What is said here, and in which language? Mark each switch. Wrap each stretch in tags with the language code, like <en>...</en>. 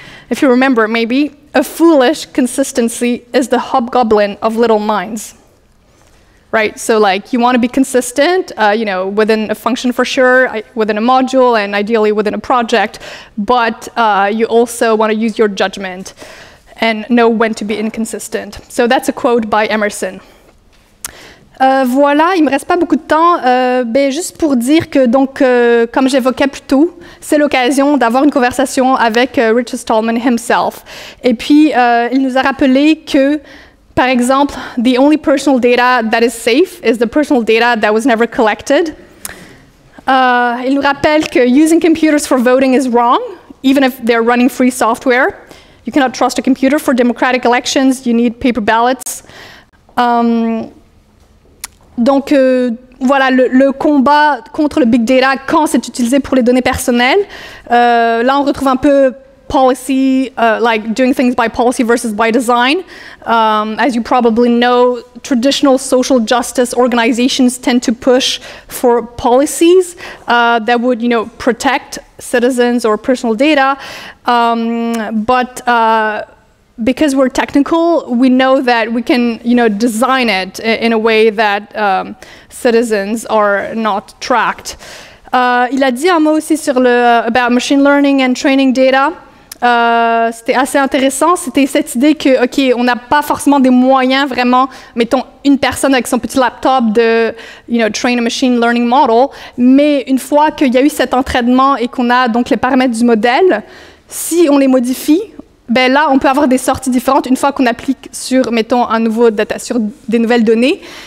<en>If you remember, maybe, a foolish consistency is the hobgoblin of little minds. Right, so like you want to be consistent, you know, within a function for sure, within a module, and ideally within a project, but you also want to use your judgment and know when to be inconsistent. So that's a quote by Emerson.</en> <fr>Voilà, il me reste pas beaucoup de temps, mais juste pour dire que donc, comme j'évoquais plus tôt, c'est l'occasion d'avoir une conversation avec Richard Stallman himself, et puis il nous a rappelé que. Par exemple,</fr> <en>the only personal data that is safe is the personal data that was never collected.</en> <fr>Il nous rappelle que</fr> <en>using computers for voting is wrong, even if they're running free software. You cannot trust a computer for democratic elections, you need paper ballots.</en> <fr>Donc, voilà, le combat contre le big data quand c'est utilisé pour les données personnelles. Là, on retrouve un peu</fr> <en>policy, like doing things by policy versus by design. As you probably know, traditional social justice organizations tend to push for policies that would, you know, protect citizens or personal data. But because we're technical, we know that we can, you know, design it in a way that citizens are not tracked.</en> <fr>Il a dit un mot aussi sur le,</fr> <en>about machine learning and training data.</en> <fr>C'était assez intéressant, c'était cette idée que, OK, on n'a pas forcément des moyens vraiment, mettons, une personne avec son petit laptop de,</fr> <en>you know, train a machine learning model,</en> <fr>mais une fois qu'il y a eu cet entraînement et qu'on a donc les paramètres du modèle, si on les modifie, ben là, on peut avoir des sorties différentes une fois qu'on applique sur, mettons, un nouveau data, sur des nouvelles données.</fr>